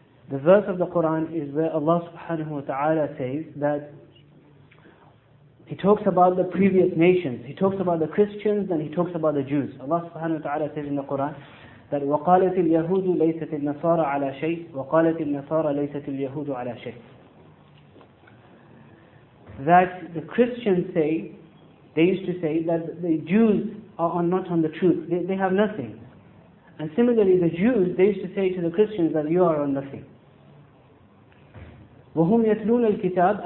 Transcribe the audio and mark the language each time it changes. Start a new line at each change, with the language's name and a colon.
English: The verse of the Quran is where Allah subhanahu wa ta'ala says that He talks about the previous nations. He talks about the Christians and He talks about the Jews. Allah subhanahu wa ta'ala says in the Quran that
Arabic: وَقَالَتِ الْيَهُودُ لَيْسَتِ النَّصَارَ عَلَى شَيْءٍ وَقَالَتِ النَّصَارَ لَيْسَتِ الْيَهُودُ عَلَى شَيْءٍ.
English: That the Christians say, they used to say that the Jews are not on the truth. They have nothing. And similarly, the Jews, they used to say to the Christians that you are on nothing.
Arabic: وَهُمْ يَتْلُونَ الْكِتَابِ.